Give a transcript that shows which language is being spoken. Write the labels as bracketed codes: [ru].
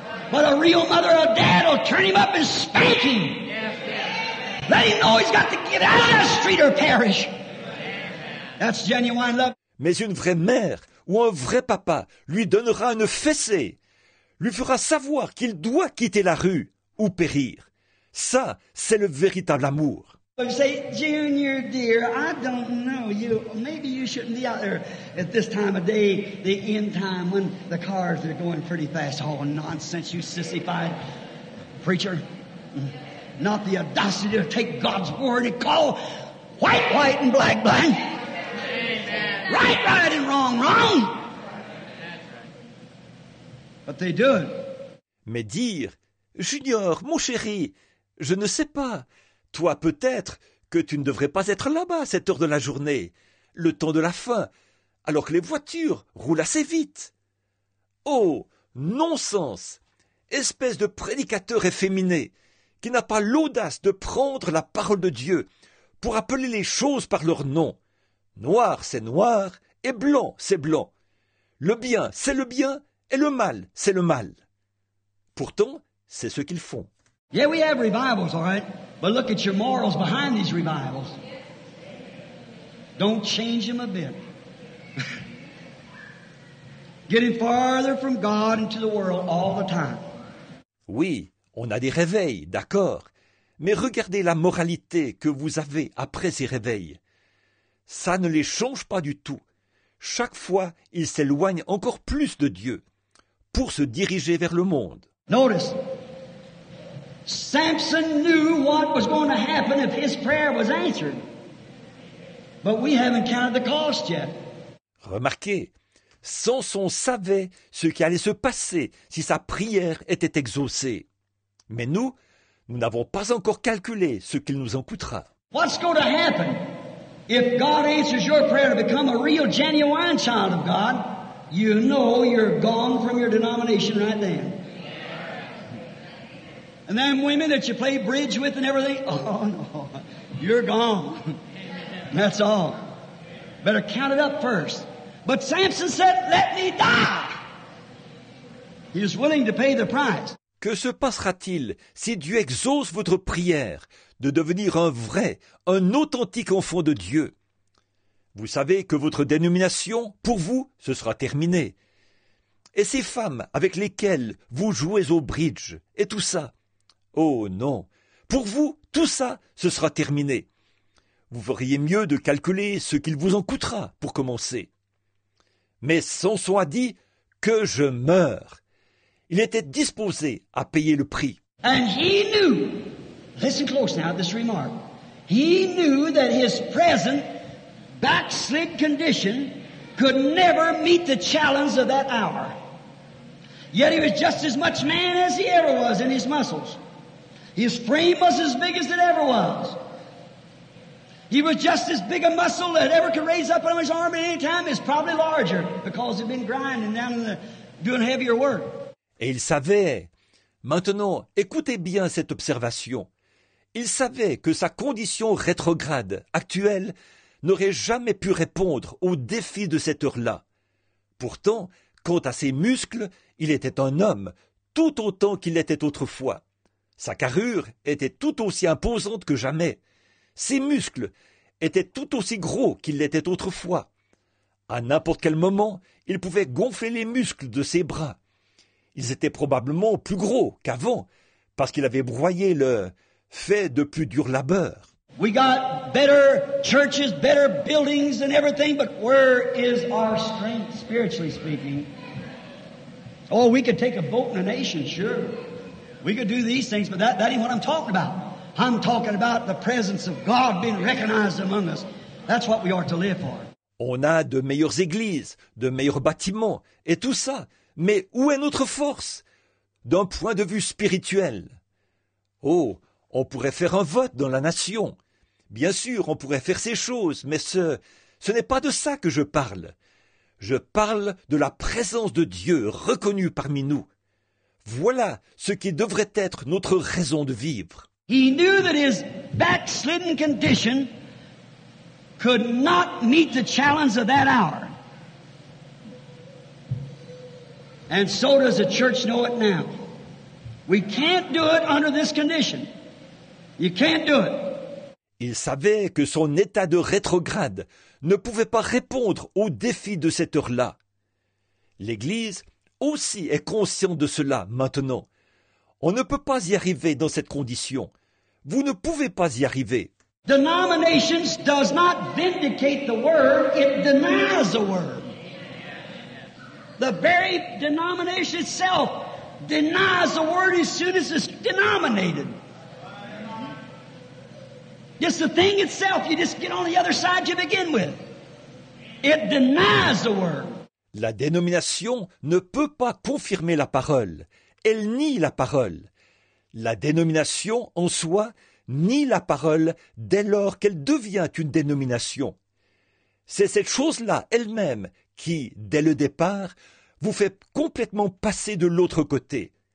[en] But a real mother or dad will turn him up and spank him. Let him know he's got to get out of the street or perish. That's genuine love. [fr] Mais une vraie mère ou un vrai papa lui donnera une fessée, lui fera savoir qu'il doit quitter la rue ou périr. Ça, c'est le véritable amour. [en] You say, Junior, dear, I don't know. You, maybe you shouldn't be out there at this time of day, the end time, when the cars are going pretty fast. Oh, nonsense, you sissified preacher. Not the audacity to take God's word and call white, white, and black, black. Right, right, and wrong, wrong. But they do it. [fr] Mais dire, Junior, mon chéri, je ne sais pas. Toi, peut-être que tu ne devrais pas être là-bas à cette heure de la journée, le temps de la faim, alors que les voitures roulent assez vite. Oh, non-sens! Espèce de prédicateur efféminé qui n'a pas l'audace de prendre la parole de Dieu pour appeler les choses par leur nom. Noir, c'est noir, et blanc, c'est blanc. Le bien, c'est le bien, et le mal, c'est le mal. Pourtant, c'est ce qu'ils font. [en] Yeah, we have revivals, all right? But look at your morals behind these revivals. Don't change them a bit. Getting farther from God into the world all the time. [fr] Oui, on a des réveils, d'accord. Mais regardez la moralité que vous avez après ces réveils. Ça ne les change pas du tout. Chaque fois, ils s'éloignent encore plus de Dieu pour se diriger vers le monde. [en] Notice. Samson knew what was going to happen if his prayer was answered. But we haven't counted the cost yet. [fr] Remarquez, Samson savait ce qui allait se passer si sa prière était exaucée. Mais nous n'avons pas encore calculé ce qu'il nous en coûtera. [en] What's going to happen if God answers your prayer to become a real, genuine child of God? You know you're gone from your denomination right then. And then women that you play bridge with and everything, oh no, you're gone. That's all. Better count it up first. But Samson said, let me die. He is willing to pay the price. [fr] Que se passera-t-il si Dieu exauce votre prière de devenir un vrai, un authentique enfant de Dieu? Vous savez que votre dénomination, pour vous, ce sera terminé. Et ces femmes avec lesquelles vous jouez au bridge et tout ça, oh non, pour vous, tout ça, ce sera terminé. Vous feriez mieux de calculer ce qu'il vous en coûtera pour commencer. Mais Samson a dit que je meurs. Il était disposé à payer le prix. [en] And he knew, listen close now to this remark, he knew that his present backslid condition could never meet the challenge of that hour. Yet he was just as much man as he ever was in his muscles. His frame was as big as it ever was. He was just as big a muscle that ever could raise up on his arm at any time. It's probably larger because he'd been grinding down and doing heavier work. [fr] Et il savait. Maintenant, écoutez bien cette observation. Il savait que sa condition rétrograde, actuelle, n'aurait jamais pu répondre au défi de cette heure-là. Pourtant, quant à ses muscles, il était un homme, tout autant qu'il l'était autrefois. Sa carrure était tout aussi imposante que jamais. Ses muscles étaient tout aussi gros qu'il l'était autrefois. À n'importe quel moment, il pouvait gonfler les muscles de ses bras. Ils étaient probablement plus gros qu'avant, parce qu'il avait broyé le « fait de plus dur labeur ». [en] We got better churches, better buildings and everything, but where is our strength, spiritually speaking? Oh, we could take a vote in a nation, sure. We could do these things, but that ain't what I'm talking about. I'm talking about the presence of God being recognized among us. That's what we are to live for. [fr] On a de meilleures églises, de meilleurs bâtiments et tout ça, mais où est notre force d'un point de vue spirituel? Oh, on pourrait faire un vote dans la nation. Bien sûr, on pourrait faire ces choses, mais ce n'est pas de ça que je parle. Je parle de la présence de Dieu reconnue parmi nous. Voilà ce qui devrait être notre raison de vivre. [en] He knew that his backslidden condition could not meet the challenge of that hour. And so does the church know it now. We can't do it under this condition. You can't do it. [fr] Il savait que son état de rétrograde ne pouvait pas répondre au défi de cette heure-là. L'Église aussi est consciente de cela maintenant. On ne peut pas y arriver dans cette condition. Vous ne pouvez pas y arriver. [en] Denominations does not vindicate the word, it denies the word. The very denomination itself denies the word as soon as it's denominated. Just the thing itself, you just get on the other side to begin with. It denies the word. [fr] La dénomination ne peut pas confirmer la parole. Elle nie la parole. La dénomination en soi nie la parole dès lors qu'elle devient une dénomination. C'est cette chose-là elle-même qui, dès le départ, vous fait complètement passer de l'autre côté.